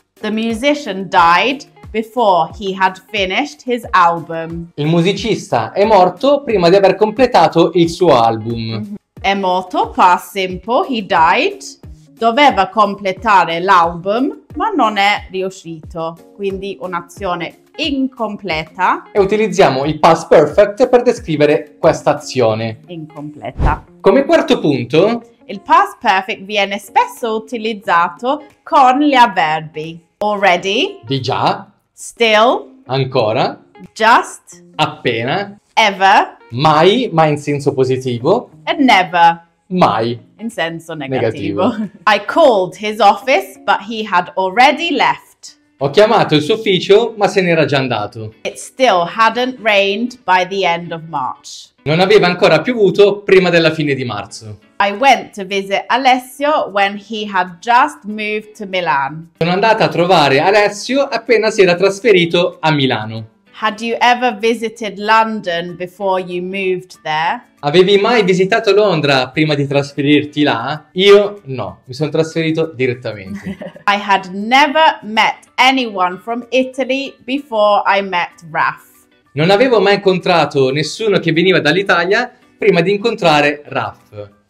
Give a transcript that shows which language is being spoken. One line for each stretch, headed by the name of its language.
English: The musician died before he had finished his album.
Italian: Il musicista è morto prima di aver completato il suo album. Mm-hmm. È morto, past simple,
English: he died.
Italian: Doveva completare l'album, ma non è riuscito. Quindi un'azione incompleta. E utilizziamo il past perfect per descrivere questa azione. Incompleta. Come quarto punto... Il past perfect viene spesso utilizzato con gli avverbi.
English: Already.
Italian: Di già.
English: Still.
Italian: Ancora.
English: Just.
Italian: Appena.
English: Ever.
Italian: Mai, ma in senso positivo.
English: And never.
Italian: Mai. In senso negativo.
English: I called his office, but he had already left.
Italian: Ho chiamato il suo ufficio, ma se n'era già andato.
English: It still hadn't rained by the end of March.
Italian: Non aveva ancora piovuto prima della fine di marzo.
English: I went to visit Alessio when he had just moved to Milan.
Italian: Sono andata a trovare Alessio appena si era trasferito a Milano.
English: Had you ever visited London before you moved there?
Italian: Avevi mai visitato Londra prima di trasferirti là? Io no, mi sono trasferito direttamente.
English: I had never met anyone from Italy before I met Raf.
Italian: Non avevo mai incontrato nessuno che veniva dall'Italia prima di incontrare Raf.